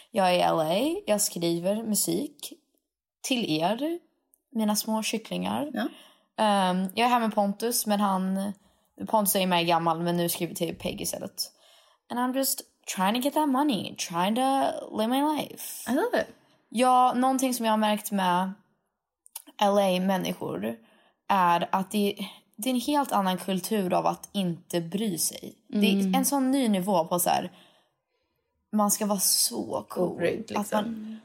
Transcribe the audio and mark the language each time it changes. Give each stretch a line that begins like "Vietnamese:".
Swedish: Jag är i LA, jag skriver musik till er, mina små kycklingar. Ja. Jag är här med Pontus, men Pontus är ju mer gammal, men nu skriver till Peggy istället.
English: And I'm just trying to get that money, trying to live my life. I love it.
Swedish: Ja, någonting som jag har märkt med LA-människor är att det är en helt annan kultur av att inte bry sig. Mm. Det är en sån ny nivå på så här, man ska vara så cool. Obrydd, liksom.